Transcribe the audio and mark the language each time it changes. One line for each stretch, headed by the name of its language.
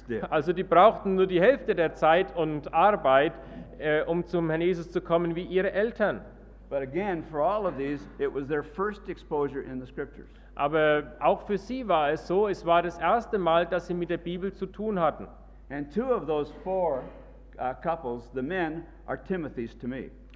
German: Also die brauchten nur die Hälfte der Zeit und Arbeit, um zum Herrn Jesus zu kommen wie ihre Eltern.
English: But again, for all of these, it was their first exposure in the scriptures.
German: Aber auch für sie war es so, es war das erste Mal, dass sie mit der Bibel zu tun hatten.
English: And two of those four couples, the men, are Timothys to me.